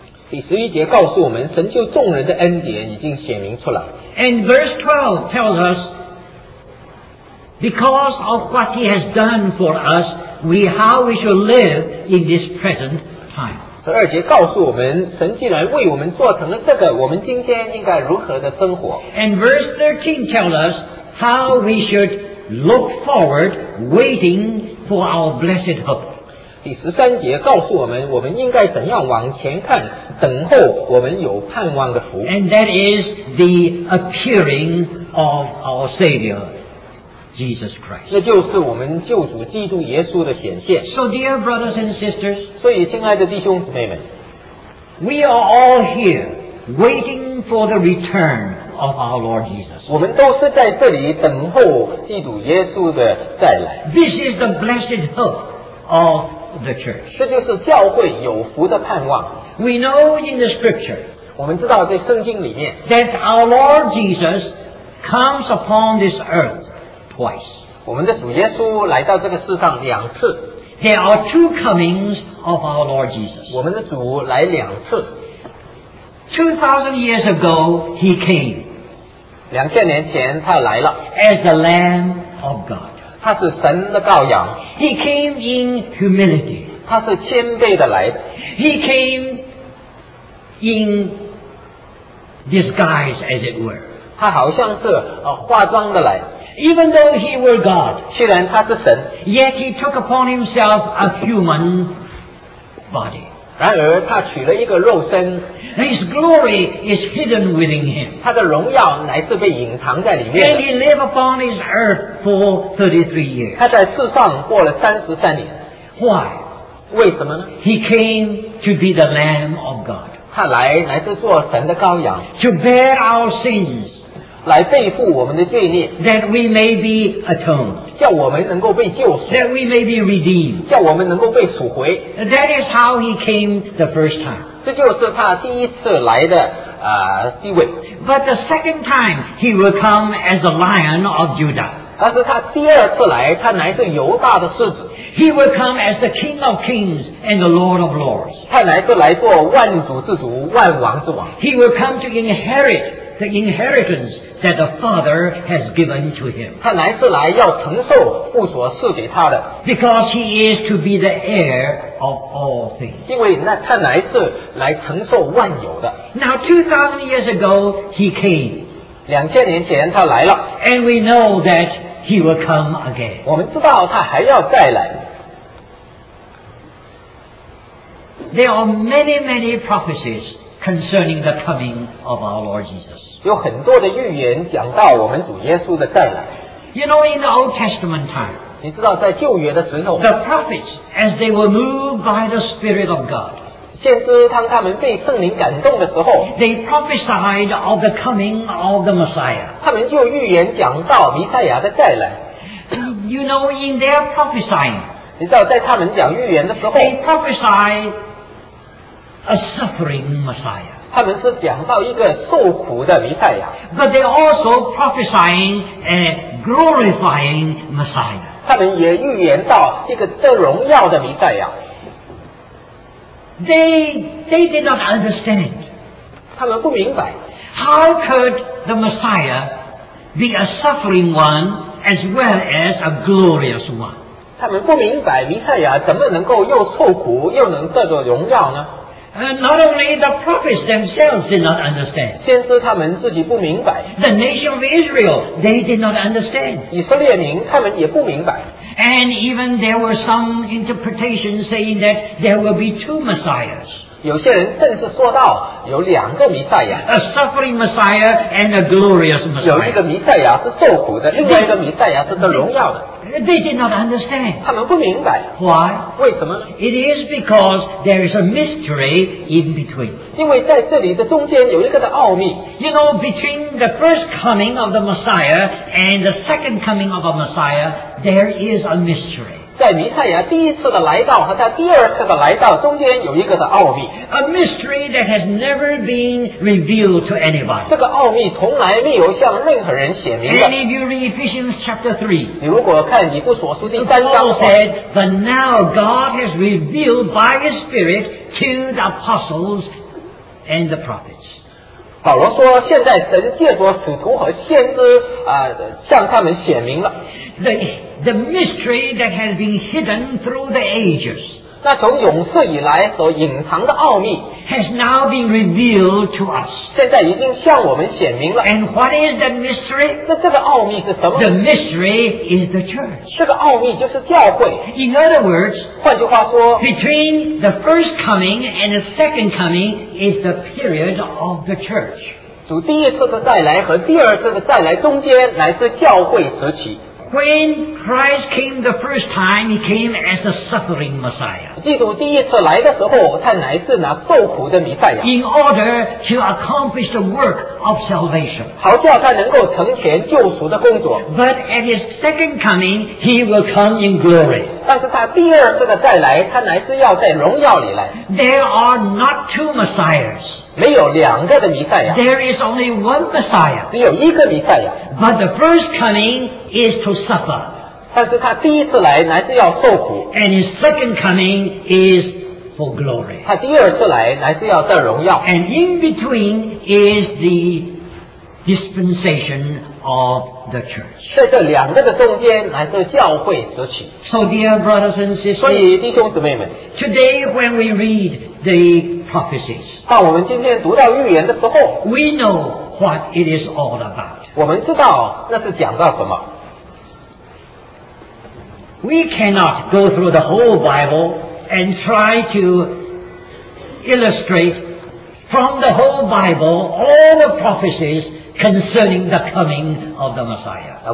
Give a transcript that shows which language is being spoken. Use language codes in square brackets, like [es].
[zh] 第十一节告诉我们，神救众人的恩典已经显明出来。 [en] And verse 12 tells us,Because of what he has done for us, how we shall live in this present time. [zh] 十二节告诉我们，神既然为我们做成了这个，我们今天应该如何的生活。 [en] And verse 13 tells us how we should look forward, waiting for our blessed hope. [zh] 第十三节告诉我们，我们应该怎样往前看，等候我们有盼望的福。 [en] And that is the appearing of our Savior. Jesus Christ. [zh] 那就是我们救主基督耶稣的显现。 [en] So dear brothers and sisters, [zh] 所以亲爱的弟兄姊妹们, [en] we are all here waiting for the return of our Lord Jesus. [zh] 我们都是在这里等候基督耶稣的再来。 [en] This is the blessed hope of the church. [zh] 这就是教会有福的盼望。 [en] We know in the scripture, [zh] 我们知道在圣经里面, [en] that our Lord Jesus comes upon this earth. [zh] 我们的主耶稣来到这个世上两次。 [en] There are two comings of our Lord Jesus. [zh] 我们的主来两次。 [en] 2000 years ago, he came. [zh] 2000年前他来了。 [en] As the Lamb of God. [zh] 他是神的羔羊。 [en] He came in humility. [zh] 他是谦卑的来的。 [en] He came in disguise, as it were. [zh] 他好像是化妆的来的。 [en] Even though he were God, [zh] 虽然他是神, [en] yet he took upon himself a human body. [zh] 然而他取了一个肉身, [en] his glory is hidden within him. [zh] 他的荣耀乃是被隐藏在里面。 [en] And he lived upon his earth for 33 years. [zh] 他在世上过了33年。 [en] Why? [zh] 为什么呢? [en] He came to be the Lamb of God. [zh] 他来乃是做神的羔羊。 [en] To bear our sins. [zh] 来背负我们的罪孽 [en] that we may be atoned, [zh] 叫我们能够被救赎 [en] that we may be redeemed, [zh] 叫我们能够被赎回 [en] that is how he came the first time, [zh] 这就是他第一次来的地位 [en] but the second time he will come as the lion of Judah, [zh] 但是他第二次来他乃是犹大的狮子 [en] he will come as the king of kings and the lord of lords, [zh] 他乃是来做万主之主万王之王 [en] he will come to inherit the inheritance,that the Father has given to him. [zh] 他乃是来要承受父所赐给他的。 [en] Because he is to be the heir of all things. [zh] 因为那他乃是来承受万有的。 [en] Now 2000 years ago, he came. [zh] 2000年前他来了。 [en] And we know that he will come again. [zh] 我们知道他还要再来。 [en] There are many, many prophecies concerning the coming of our Lord Jesus. [zh] 有很多的预言讲到我们主耶稣的再来。 [en] You know, in the Old Testament time, [zh] 你知道在旧约的时候 [en] the prophets, as they were moved by the Spirit of God, [zh] 先知当他们被圣灵感动的时候 [en] they prophesied of the coming of the Messiah. [zh] 他们就预言讲到弥赛亚的再来。 [en] You know, in their prophesying, [zh] 你知道在他们讲预言的时候 [en] they prophesied a suffering Messiah. [zh] 他们是讲到一个受苦的弥赛亚 [en] but they also prophesying a glorifying Messiah [zh] 他们也预言到一个得荣耀的弥赛亚 [en] they did not understand it [zh] 他们不明白 [en] how could the Messiah be a suffering one as well as a glorious one [zh] 他们不明白弥赛亚怎么能够又受苦又能得着荣耀呢 [en] Not only the prophets themselves did not understand. [zh] 先知他们自己不明白。 [en] The nation of Israel, they did not understand. [zh] 以色列民他们也不明白。 [en] And even there were some interpretations saying that there will be two messiahs. [zh] 有些人甚至说到有两个弥赛亚 [en] ，a suffering Messiah and a glorious Messiah。 [zh] 有一个弥赛亚是受苦的，另外一个弥赛亚是得荣耀的。 [en] They did not understand. [zh] 他们不明白。 [en] Why? [zh] 为什么？ [en] It is because there is a mystery in between. [zh] 因为在这里的中间有一个的奥秘。 [en] You know, between the first coming of the Messiah and the second coming of a Messiah, there is a mystery. [zh] 在弥赛亚第一次的来到和他第二次的来到中间有一个的奥秘。 [en] A mystery that has never been revealed to anybody. [zh] 这个奥秘从来没有向任何人显明的。 [en] And if you read Ephesians chapter 3, [zh] 你如果看以弗所书第三章的话， [en] Paul said, but now God has revealed by His Spirit to the apostles and the prophets. [zh] 保罗说现在神借着使徒和先知、向他们显明了。 [en] The mystery that has been hidden through the ages. [zh] 那从永世以来所隐藏的奥秘 [en] has now been revealed to us. [zh] 现在已经向我们显明了。 [en] And what is the mystery? [zh] 那这个奥秘是什么？ [en] The mystery is the church. [zh] 这个奥秘就是教会。 [en] In other words, [zh] 换句话说， [en] between the first coming and the second coming is the period of the church. [zh] 主第一次的再来和第二次的再来中间乃是教会时期。 [en] When Christ came the first time, He came as a suffering Messiah. [zh] 基督第一次来的时候，他乃是那受苦的弥赛亚。 [en] In order to accomplish the work of salvation. [zh] 好叫他能够成全救赎的工作。 [en] But at His second coming, He will come in glory. [zh] 但是他第二次的再来，他乃是要在荣耀里来。 [en] There are not two Messiahs. [zh] 没有两个的弥赛亚。 [en] There is only one Messiah. [zh] 只有一个弥赛亚。 [en] But the first coming is to suffer. [zh] 但是他第一次来乃是要受苦。 [en] And his second coming is for glory. [zh] 他第二次来乃是要得荣耀。 [en] And in between is the dispensation of the church. [zh] 在这两个的中间乃是教会时期。 [en] So dear brothers and sisters, [zh] 所以弟兄姊妹们， [en] today when we read the prophecies, [zh] 当我们今天读到预言的时候， [en] we know what it is all about. [zh] 我们知道那是讲到什么。 [en] We cannot go through the whole Bible and try to illustrate from the whole Bible all the prophecies concerning the coming of the Messiah.